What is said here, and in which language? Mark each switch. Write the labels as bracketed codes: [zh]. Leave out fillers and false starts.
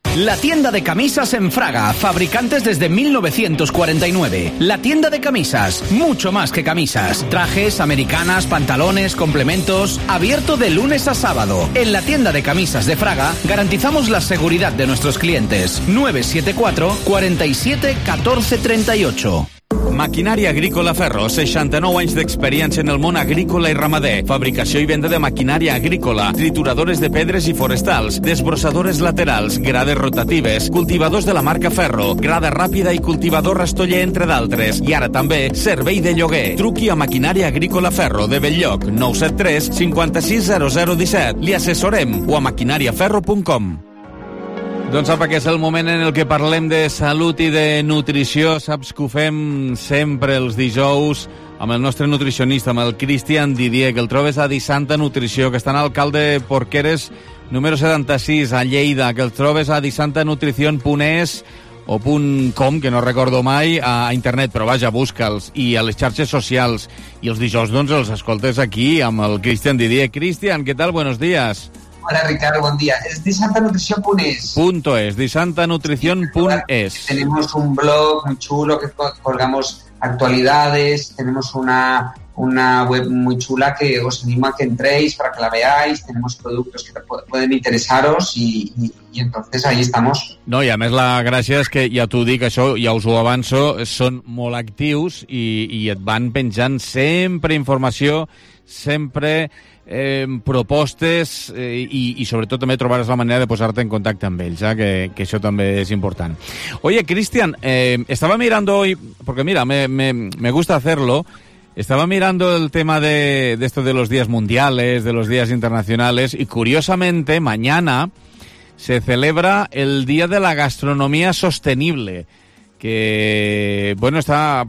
[es] La tienda de camisas en Fraga, fabricantes desde 1949. La tienda de camisas, mucho más que camisas. Trajes, americanas, pantalones, complementos. Abierto de lunes a sábado. En la tienda de camisas de Fraga garantizamos la seguridad de nuestros clientes. 974-47-1438. [ca] Maquinària Agrícola Ferro, 69 anys d'experiència en el món agrícola i ramader. Fabricació i venda de maquinària agrícola, trituradores de pedres i forestals, desbrossadores laterals, grades rotatives, cultivadors de la marca Ferro, grada ràpida i cultivador rastoller, entre d'altres. I ara també, servei de lloguer. Truqui a Maquinària Agrícola Ferro, de Belllloc, 973-560017. Li assessorem, o a maquinariaferro.com. Doncs sap que és el moment en el que parlem de salut i de nutrició. Saps que ho fem sempre els dijous amb el nostre nutricionista, amb el Cristian Didier, que el trobes a Disanta Nutrició, que està en Alcalde Porqueres número 76, a Lleida, que el trobes a disantanutricion.es o .com, que no recordo mai, a internet, però vaja, busca'ls, i a les xarxes socials. I els dijous, doncs, els escoltes aquí amb el Cristian Didier. Cristian, què tal? [es] Buenos días. Hola, Ricardo, buen día. Es disantanutrición.es. .es, disantanutrición.es. Tenemos un blog muy chulo que colgamos actualidades, tenemos una una web muy chula que os animo a que entréis para que la veáis. Tenemos productos que pueden interessaros i entonces ahí estamos. [ca] No, i a més la gràcia és que, ja t'ho dic això, ja us ho avanço, són molt actius i et van penjant sempre informació, sempre propostes i sobretot també trobaràs la manera de posar-te en contacte amb ells, que això també és important. [es] Oye, Cristian, estava mirando hoy, porque mira, me gusta hacerlo. Estaba mirando el tema de esto de los días mundiales, de los días internacionales, y curiosamente mañana se celebra el Día de la Gastronomía Sostenible, que, bueno, está...